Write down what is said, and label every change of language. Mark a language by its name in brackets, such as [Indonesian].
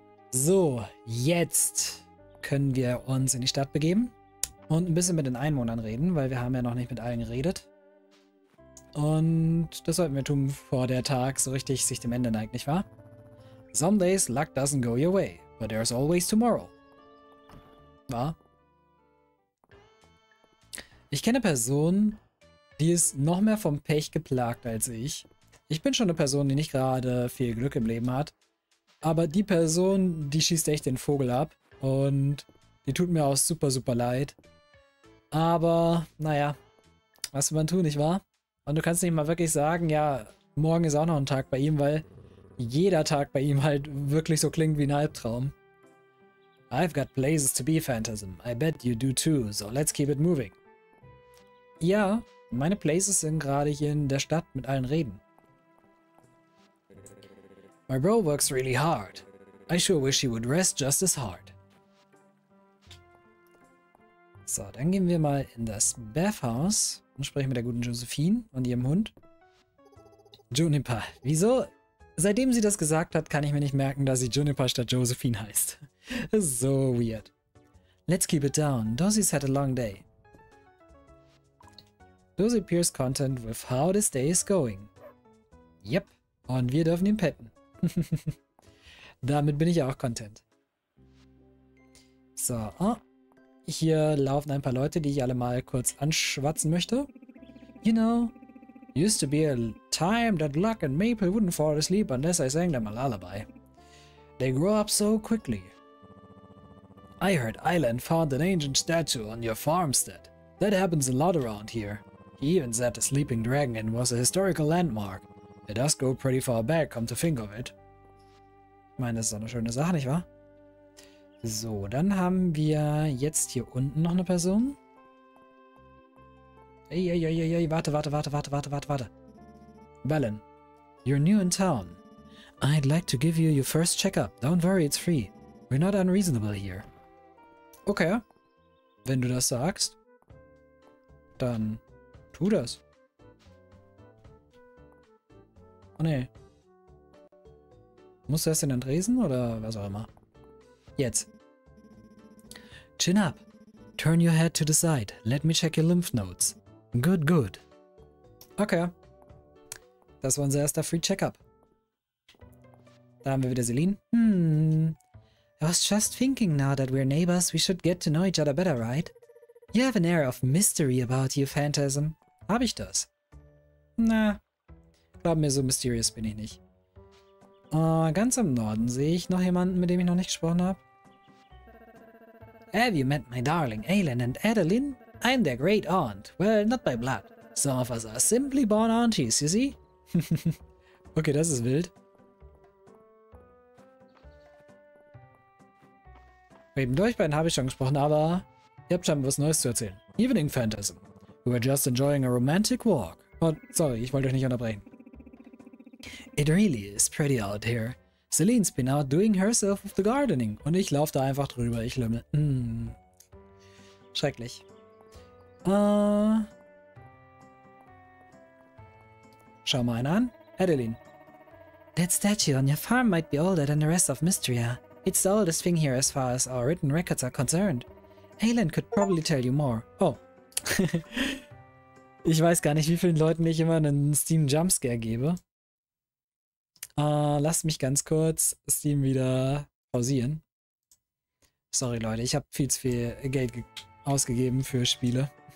[German] So, jetzt können wir uns in die Stadt begeben und ein bisschen mit den Einwohnern reden, weil wir haben ja noch nicht mit allen geredet. Und das sollten wir tun, bevor der Tag so richtig sich dem Ende neigt, nicht wahr? [English] Some days luck doesn't go your way, but there's always tomorrow. [German] Wahr? Ich kenne Personen, die ist noch mehr vom Pech geplagt als ich. Ich bin schon eine Person, die nicht gerade viel Glück im Leben hat. Aber die Person, die schießt echt den Vogel ab. Und die tut mir auch super, super leid. Aber, naja, was will man tun, nicht wahr? Und du kannst nicht mal wirklich sagen, ja, morgen ist auch noch ein Tag bei ihm, weil jeder Tag bei ihm halt wirklich so klingt wie ein Albtraum. [English] I've got places to be, Phantasm. I bet you do too. So let's keep it moving. [German] Ja, meine Places sind gerade hier in der Stadt mit allen Reden. [English] My bro works really hard. I sure wish he would rest just as hard. [German] So, dann gehen wir mal in das Bathhaus und sprechen mit der guten Josephine und ihrem Hund. Juniper. Wieso? Seitdem sie das gesagt hat, kann ich mir nicht merken, dass sie Juniper statt Josephine heißt. [English] So weird. Let's keep it down. Dosie's had a long day. Dosie appears content with how this day is going. Yep. [German] Und wir dürfen ihn petten. Damit bin ich ja auch content. So, hier laufen ein paar Leute, die ich alle mal kurz anschwatzen möchte. [English] You know, used to be a time that Luck and Maple wouldn't fall asleep unless I sang them a lullaby. They grow up so quickly. I heard Island found an ancient statue on your farmstead. That happens a lot around here. He even said the sleeping dragon was a historical landmark. It does go pretty far back, come to think of it. [German] Ich meine, das ist auch eine schöne Sache, nicht wahr? So, dann haben wir jetzt hier unten noch eine Person. Ey, warte. [English] Balin, you're new in town. I'd like to give you your first checkup. Don't worry, it's free. We're not unreasonable here. [German] Okay, wenn du das sagst, dann tu das. Oh ne. Musst du erst in den Tresen oder was auch immer? Jetzt. [English] Chin up. Turn your head to the side. Let me check your lymph nodes. Good, good. Okay. [German] Das war unser erster Free Checkup. Da haben wir wieder Selin. [English] I was just thinking now that we're neighbors, we should get to know each other better, right? You have an air of mystery about you, Phantasm. [German] Hab ich das? Na, glaub mir, so mysterious bin ich nicht. Ganz im Norden sehe ich noch jemanden, mit dem ich noch nicht gesprochen habe. [English] Have you met my darling Aelin and Adeline? I'm their great aunt. Well, not by blood. Some of us are simply born aunties, you see? [German] Okay, das ist wild. Mit euch beiden habe ich schon gesprochen, aber ihr habt scheinbar was Neues zu erzählen. [English] Evening Phantasm. We were just enjoying a romantic walk. Oh, sorry, [German] ich wollte euch nicht unterbrechen. [English] It really is pretty out here. Celine's been out doing herself with the gardening. [German] Und ich laufe da einfach drüber. Ich lümmel. Schrecklich. Schau mal einen an. Adeline. [English] That statue on your farm might be older than the rest of Mystria. It's the oldest thing here as far as our written records are concerned. Aelin could probably tell you more. Oh. [German] Ich weiß gar nicht, wie vielen Leuten ich immer einen Steam Jumpscare gebe. Lasst mich ganz kurz Steam wieder pausieren. Sorry Leute, ich habe viel zu viel Geld ausgegeben für Spiele.